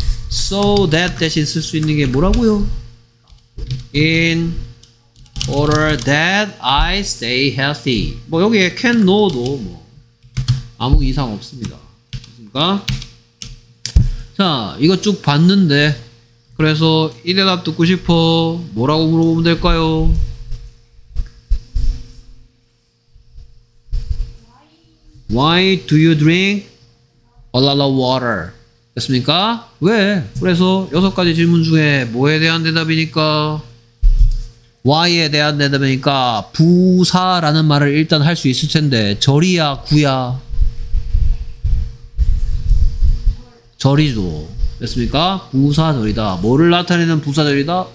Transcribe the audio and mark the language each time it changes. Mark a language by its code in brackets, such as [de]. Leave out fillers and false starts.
[en] So that [ko] 대신 쓸 수 있는 게 뭐라고요? [en] In order that I stay healthy. [ko] 뭐 여기에 can, no도 뭐 아무 이상 없습니다. 됐습니까? 자, 이거 쭉 봤는데 그래서 이 대답 듣고 싶어. 뭐라고 물어보면 될까요? [en] Why do you drink a lot of water? [ko] 됐습니까? 왜? 그래서 여섯 가지 질문 중에 뭐에 대한 대답이니까 Why에 대한 대답이니까 부사라는 말을 일단 할 수 있을 텐데 절이야 구야? 절이죠. 됐습니까? 부사절이다. 뭐를 나타내는 부사절이다?